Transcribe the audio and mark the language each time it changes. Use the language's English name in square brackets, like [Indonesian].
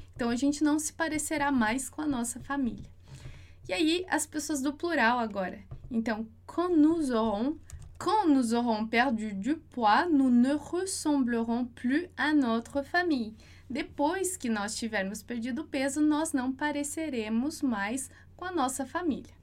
[Portuguese] Então a gente não se parecerá mais com a nossa família. E aí, as pessoas do plural agora. [French] Então, quand nous aurons perdu du poids, nous ne ressemblerons plus à notre famille. [Portuguese] Depois que nós tivermos perdido peso, nós não pareceremos mais com a nossa família.